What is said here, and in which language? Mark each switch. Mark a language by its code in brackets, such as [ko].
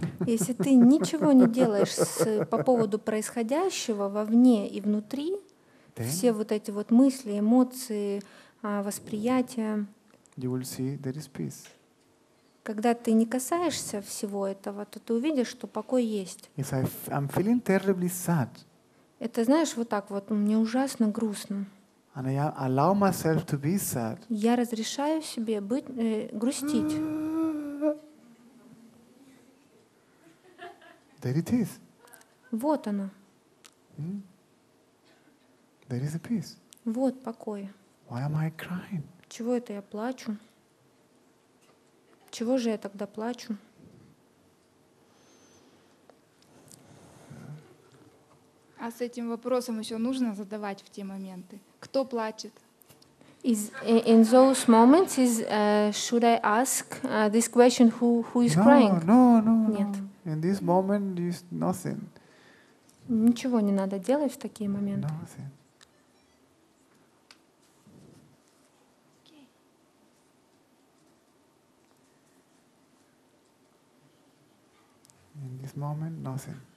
[ru] Если ты ничего не делаешь по поводу происходящего вовне и внутри, все вот эти вот мысли, эмоции, восприятия. [en] You will see there is peace. [ru] Когда ты не касаешься всего этого, то ты увидишь, что покой есть. [en] If I'm feeling terribly sad. [ru] Это, знаешь, вот так вот, мне ужасно грустно. [en] And I allow myself to be sad. [ru] Я разрешаю себе быть грустить. [en] There it is. [ru] Вот оно. [en] There is a peace. [ru] Вот покой. [en] Why am I crying? [ru] Чего это я плачу? Чего же я тогда плачу? А с этим вопросом еще нужно задавать в те моменты. Кто плачет? [en] In those moments, should I ask this question? Who is crying? No. [ru] Нет. [en] In this moment, is nothing. [ru] Ничего не надо делать в такие моменты. [en] Nothing. In this moment, nothing.